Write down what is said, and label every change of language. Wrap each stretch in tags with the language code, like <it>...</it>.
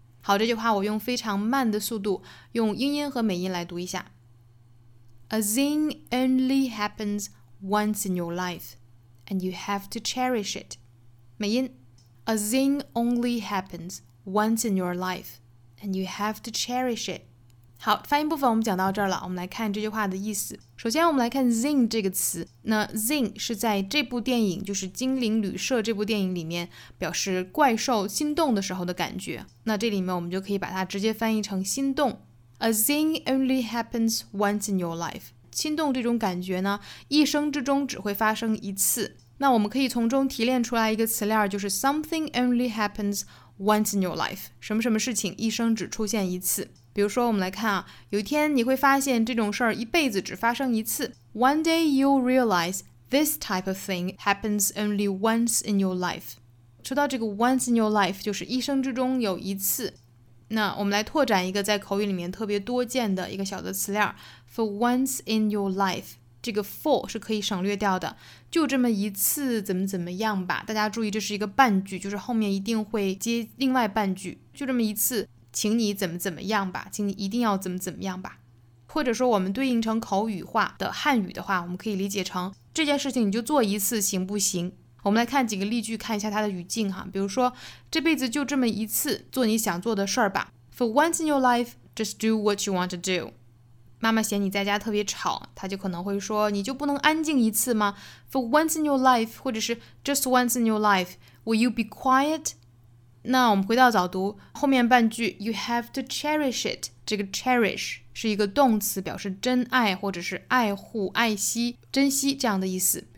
<zh>好，这句话我用非常慢的速度，用英音和美音来读一下。</zh> <en>A thing only happens once in your life, and you have to cherish it.</en> <zh>美音。</zh> <en>A thing only happens once in your life, and you have to cherish it.</en> <zh>好，发音部分我们讲到这儿了，我们来看这句话的意思。首先我们来看 thing 这个词，那 thing 是在这部电影，就是《精灵旅社》这部电影里面表示怪兽心动的时候的感觉，那这里面我们就可以把它直接翻译成心动。</zh> <en>A thing only happens once in your life,</en> <zh>心动这种感觉呢，一生之中只会发生一次。那我们可以从中提炼出来一个词链，就是</zh> <en>something only happens once in your life,</en> <zh>什么什么事情一生只出现一次。比如说我们来看啊，有一天你会发现这种事儿一辈子只发生一次。</zh> <en>One day you'll realize this type of thing happens only once in your life.</en> <zh>说到这个</zh> <en>once in your life,</en> <zh>就是一生之中有一次。那我们来拓展一个在口语里面特别多见的一个小的词链，</zh> <en>for once in your life,</en> <zh>这个 for 是可以省略掉的，就这么一次怎么怎么样吧，大家注意这是一个半句，就是后面一定会接另外半句，就这么一次请你怎么怎么样吧，请你一定要怎么怎么样吧。或者说我们对应成口语化的汉语的话，我们可以理解成这件事情你就做一次行不行。我们来看几个例句，看一下它的语境哈。比如说这辈子就这么一次，做你想做的事儿吧。</zh> <en>For once in your life, just do what you want to do.</en> <zh>妈妈嫌你在家特别吵，她就可能会说你就不能安静一次吗？</zh> <en>For once in your life,</en> <zh>或者是</zh> <en>just once in your life, will you be quiet?</en> <zh>那我们回到早读后面半句，</zh> <en>you have to cherish it,</en> <zh>这个 cherish 是一个动词，表示珍爱或者是爱护爱惜珍惜这样的意思。</zh>